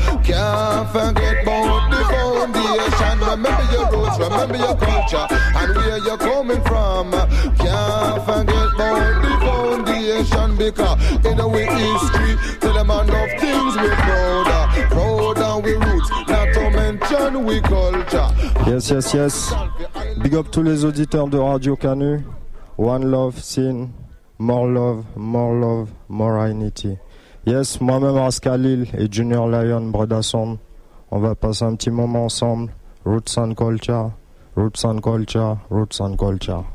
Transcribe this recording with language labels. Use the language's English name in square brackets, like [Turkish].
[English] Can't forget about the foundation. Remember your roots, remember your culture, and where you're coming from. Can't forget about the foundation. Because in a way history, tell a man of things we proud of. Proud of we roots, not to mention we culture. Yes, yes, yes. Big up [French] tous les auditeurs de Radio Canu. [English] One love, sin. More love, more unity. Yes, [French] moi-même Raskalil et Junior Lion, Bredasson, on va passer un petit moment ensemble. [English] Roots and culture, roots and culture, roots and culture.